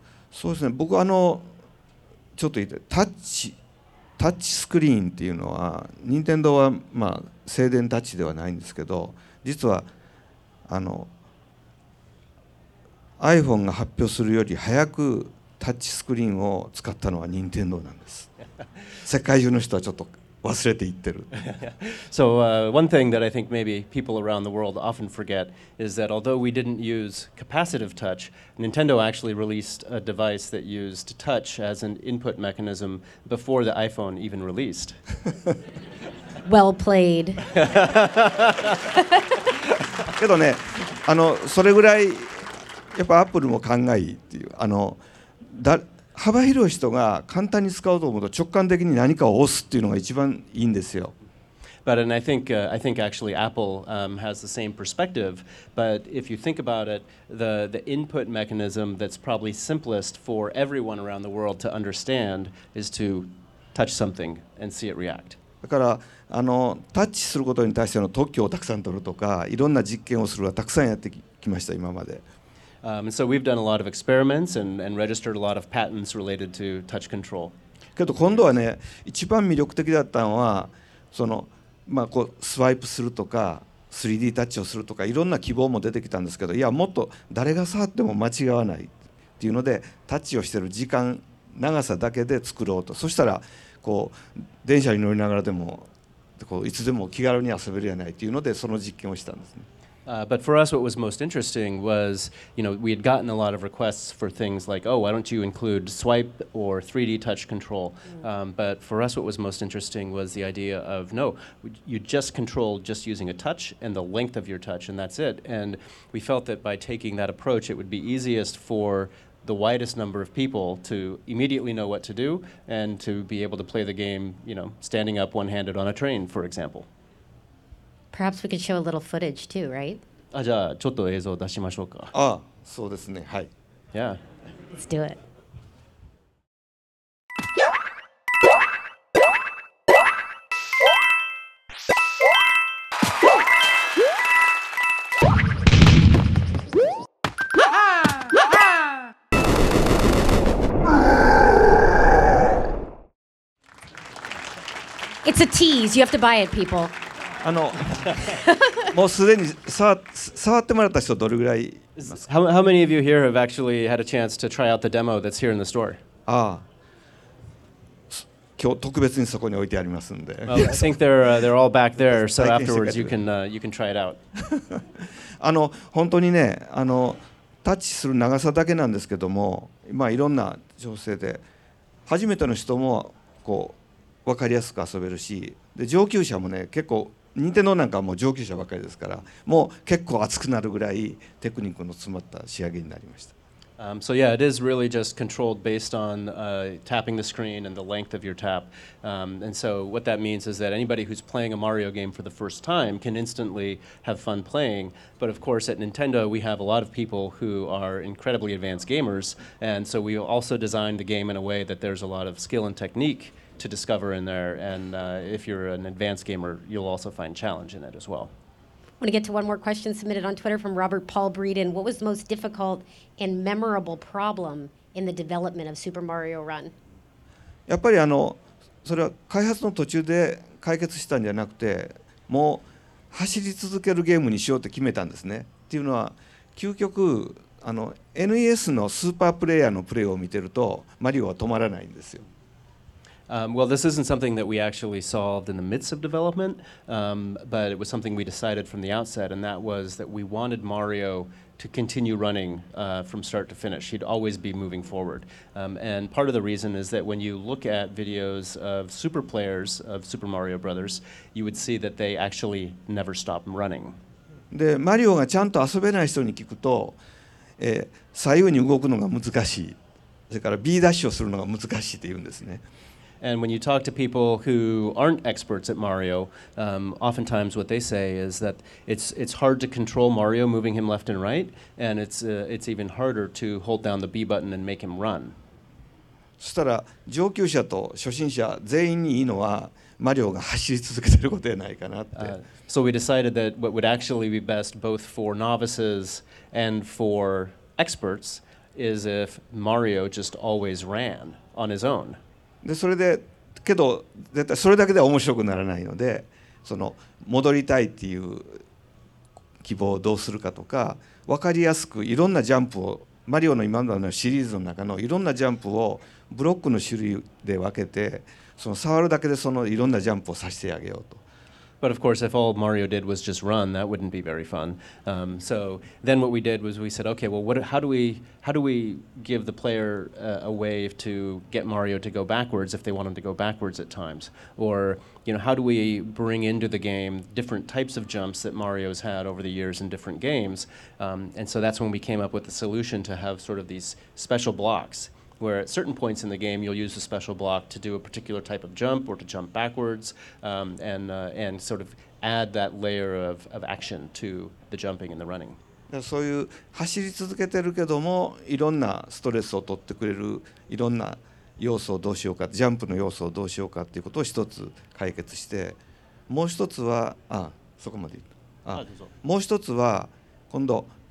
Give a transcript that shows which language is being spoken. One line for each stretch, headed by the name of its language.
Japanese: そうですね。僕あのちょっと言ってタッチスクリーンっていうのは任天堂はまあ静電タッチではないんですけど、実はあの iPhone が発表するより早くタッチスクリーンを使ったのは任天堂なんです。世界中の人はちょっと忘れていってる。
English: So, one thing that I think maybe people around the world often forget is that although we didn't use capacitive touch, Nintendo actually released a device that used touch as an input mechanism before the iPhone even released. Well played.
Japanese: けどね、あのそれぐらいやっぱアップルも考えいいっていう、あのだ幅広い人が簡単に使おうと思うと直感的に何かを押すっていうのが一番いいんですよ。
English: But and I think actually Apple has the same perspective. But if you think about it, the input mechanism that's probably simplest for everyone around the world to understand is to touch something and see it react.
Japanese: だからあのタッチすることに対しての特許をたくさん取るとか、いろんな実験をするはたくさんやってきました今まで。
English: And so we've done a lot of experiments and registered a lot of patents related to touch control.
Japanese: けど今度はね、一番魅力的だったのはそのまあこうスワイプするとか 3D タッチをするとかいろんな希望も出てきたんですけど、いやもっと誰が触っても間違わないっていうので、タッチをしている時間長さだけで作ろうと。そしたらこう電車に乗りながらでもこういつでも気軽に遊べるやないっていうので、その実験をしたんですね。
English: But for us, what was most interesting was, you know, we had gotten a lot of requests for things like, oh, why don't you include swipe or 3D touch control? But for us, what was most interesting was the idea of, no, you just control just using a touch and the length of your touch, and that's it. And we felt that by taking that approach, it would be easiest for the widest number of people to immediately know what to do and to be able to play the game, you know, standing up one-handed on a train, for example. Perhaps we could show a little footage too, right?
Japanese: あ、じゃあちょっと映像を出しましょうか。あ、そうですね。はい。
English: Yeah. Let's do it. It's a tease. You have to buy it, people.
Japanese: あのもうすでに触ってもらった人どれぐらいいますか。
English: How many of you here have actually had a chance to try out the demo that's here in the store?
Japanese: ああ今日特別にそこに置いてありますんで、
English: well, I think they're all back there, so afterwards you can try it out.
Japanese: あの本当にね、あのタッチする長さだけなんですけども、まあいろんな情勢で初めての人もこう分かりやすく遊べるし、で上級者もね、結構任天堂なんかはもう上級者ばかりですから、もう結構熱くなるぐらいテクニックの詰まった仕上げになりました。
English: So yeah, it is really just controlled based on tapping the screen and the length of your tap. And so what that means is that anybody who's playing a Mario game for the first time can instantly have fun playing. But of course, at Nintendo, we have a lot of people who are incredibly advanced gamers, and so we also designed the game in a way that there's a lot of skill and technique. To discover in there, and if you're an advanced gamer, you'll also find challenge in it as well. I want to get to one more question submitted on Twitter from Robert Paul Breeden. What was the most difficult and memorable problem in the development of Super Mario Run?
Japanese: やっぱりあのそれは開発の途中で解決したんじゃなくて、もう走り続けるゲームにしようって決めたんですね。っていうのは究極あの NES のスーパープレイヤーのプレイを見てるとマリオは止まらないんですよ。
English: Well, this isn't something that we actually solved in the midst of development, but it was something we decided from the outset, and that was that we wanted Mario to continue running from start to finish. He'd always be moving forward. And part of the reason is that when you look at videos of super players of Super Mario Brothers, you would see that they actually never stop running.
Japanese: で、マリオがちゃんと遊べない人に聞くと、左右に動くのが難しい。それから B ダッシュをするのが難しいって言うんですね。
English: And when you talk to people who aren't experts at Mario, oftentimes what they say is that it's hard to control Mario, moving him left and right, and it's even harder to hold down the B button and make him run.
Japanese: そしたら上級者と初心者全員にいいのはマリオが走り続けてることじゃないかなって。
English: So we decided that what would actually be best both for novices and for experts is if Mario just always ran on his own.
Japanese: でそれでけど絶対それだけでは面白くならないのでその戻りたいっていう希望をどうするかとか分かりやすくいろんなジャンプをマリオの今までのシリーズの中のいろんなジャンプをブロックの種類で分けてその触るだけでそのいろんなジャンプをさせてあげようと。
English: But of course, if all Mario did was just run, that wouldn't be very fun. So then what we did was we said, okay, well, how do we give the player a way to get Mario to go backwards if they want him to go backwards at times? Or, you know, how do we bring into the game different types of jumps that Mario's had over the years in different games? And so that's when we came up with the solution to have sort of these special blocks, where at certain points in the game you'll use a special block to do a particular type of jump or to jump backwards and sort of add that layer of action to the jumping and the running.
Japanese: そういう走り続けてるけどもいろんなストレスを取ってくれるいろんな要素をどうしようかジャンプの要素をどうしようかっていうことを一つ解決してもう一つはあそこまでいったもう一つは今度